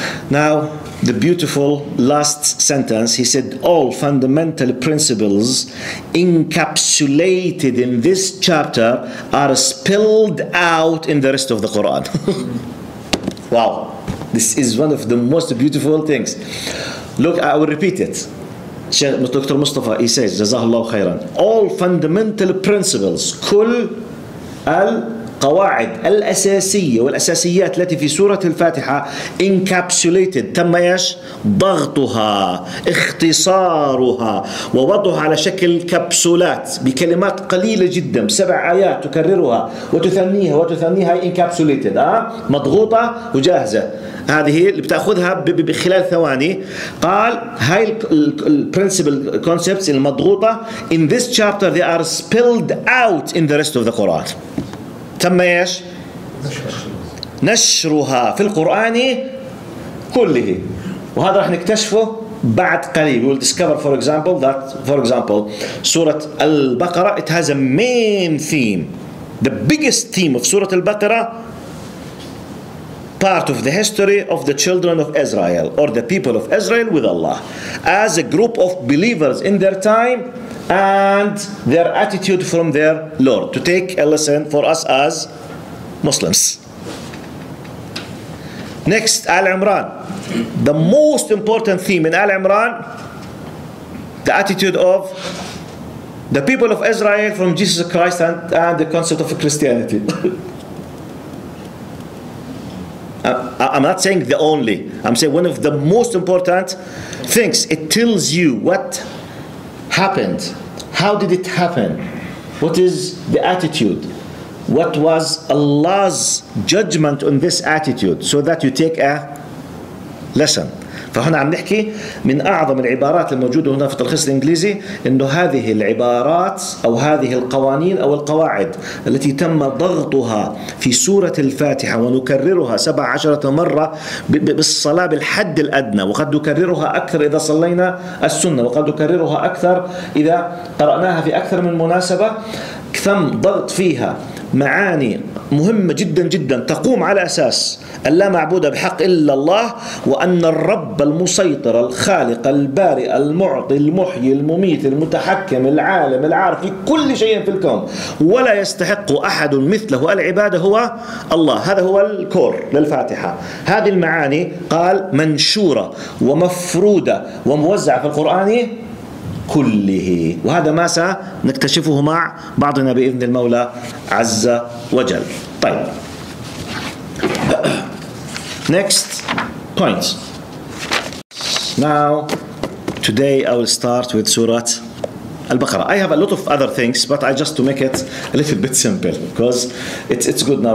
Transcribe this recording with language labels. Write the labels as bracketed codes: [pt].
[en] Now, the beautiful last sentence, he said, all fundamental principles encapsulated in this chapter are spelled out in the rest of the Quran. Wow. This is one of the most beautiful things. Look, I will repeat it. Dr. Mustafa, he says, Jazahullah khairan. All fundamental principles, [ar] كل القواعد الأساسية والأساسيات التي في سورة الفاتحة encapsulated, تم إيش؟ ضغطها, اختصارها, ووضعها على شكل كبسولات بكلمات قليلة جدا, سبع آيات تكررها وتثنيها وتثنيها encapsulated, مضغوطة وجاهزة. هذه اللي بتاخذها بخلال ثواني. قال هاي البرنسبل كونسبتس المضغوطه [en] in this chapter they are spelled out in the rest of the Quran. [ar] تم ايش؟ نشرها في القران كله. وهذا راح نكتشفه بعد قليل. [en] We will discover for example that for example سوره البقره it has a main theme, the biggest theme of سوره البقره, part of the history of the children of Israel or the people of Israel with Allah as a group of believers in their time and their attitude from their Lord, to take a lesson for us as Muslims. Next, Al-Imran. The most important theme in Al-Imran, the attitude of the people of Israel from Jesus Christ and the concept of Christianity. I'm not saying the only. I'm saying one of the most important things. It tells you what happened. How did it happen? What is the attitude? What was Allah's judgment on this attitude? So that you take a lesson. [ar] فهنا عم نحكي من أعظم العبارات الموجودة هنا في التلخيص الإنجليزي, إنه هذه العبارات أو هذه القوانين أو القواعد التي تم ضغطها في سورة الفاتحة ونكررها 17 مرة بالصلاة بالحد الأدنى, وقد نكررها أكثر إذا صلينا السنة, وقد نكررها أكثر إذا قرأناها في أكثر من مناسبة, ثم ضغط فيها معاني مهمة جدا جدا تقوم على أساس أن لا معبود بحق إلا الله, وأن الرب المسيطر الخالق البارئ المعطي المحيي المميت المتحكم العالم العارف في كل شيء في الكون, ولا يستحق أحد مثله العبادة هو الله. هذا هو الكور للفاتحة. هذه المعاني قال منشورة ومفرودة وموزعة في القرآن كله, وهذا ما سنكتشفه مع بعضنا بإذن المولى عز وجل. طيب, [en] next point. Now, today I will start with Surah Al-Baqarah. I have a lot of other things, but I just to make it a little bit simple, because it's good now.